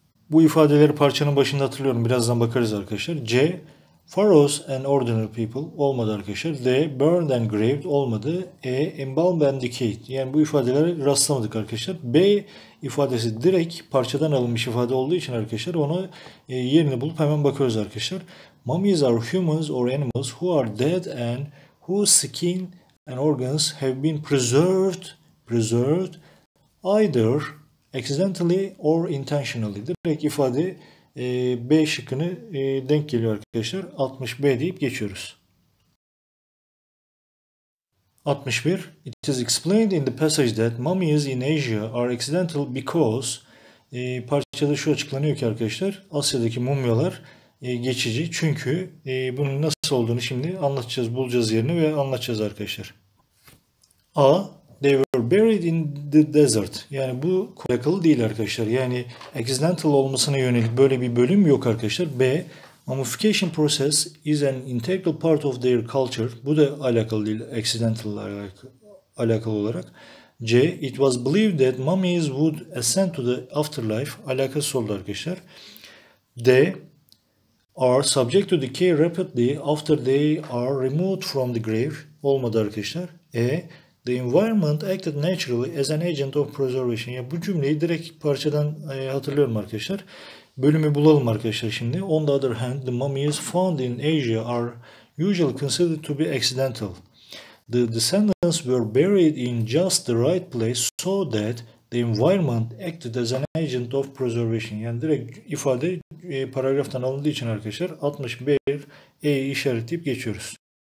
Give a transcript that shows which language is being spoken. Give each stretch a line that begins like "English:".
Turkish: Bu ifadeleri parçanın başında hatırlıyorum. Birazdan bakarız arkadaşlar. C.
English: Pharaohs and ordinary people
Turkish: olmadı arkadaşlar.
English: The burned and graved
Turkish: olmadı. E,
English: embalmed and decayed.
Turkish: Yani bu ifadelere rastlamadık arkadaşlar. B ifadesi direkt parçadan alınmış ifade olduğu için arkadaşlar onu yerini bulup hemen bakıyoruz arkadaşlar.
English: Mummies are humans or animals who are dead and whose skin and organs have been preserved either accidentally or intentionally.
Turkish: Direkt ifade B şıkkını denk geliyor arkadaşlar. 60B deyip geçiyoruz.
English: 61. It is explained in the passage that mummies in Asia are accidental because
Turkish: parçada şu açıklanıyor ki arkadaşlar Asya'daki mumyalar geçici. Çünkü bunun nasıl olduğunu şimdi anlatacağız, bulacağız yerini ve anlatacağız arkadaşlar. A.
English: They were buried in the desert.
Turkish: Yani bu kuyakalı değil arkadaşlar. Yani accidental olmasına yönelik böyle bir bölüm yok arkadaşlar. B.
English: Mummification process is an integral part of their culture.
Turkish: Bu da alakalı değil. Accidental alakalı olarak. C.
English: It was believed that mummies would ascend to the afterlife.
Turkish: Alakası oldu arkadaşlar.
English: D. Are subject to decay rapidly after they are removed from the grave.
Turkish: Olmadı arkadaşlar.
English: E. The environment acted naturally as an agent of preservation.
Turkish: Ya bu cümleyi direkt parçadan hatırlıyorum arkadaşlar. Bölümü bulalım arkadaşlar şimdi.
English: On the other hand, the mummies found in Asia are usually considered to be accidental. The descendants were buried in just the right place so that the environment acted as an agent of preservation.
Turkish: Yani direkt ifade paragraftan alındığı için arkadaşlar 61 E'yi işaretleyip geçiyoruz.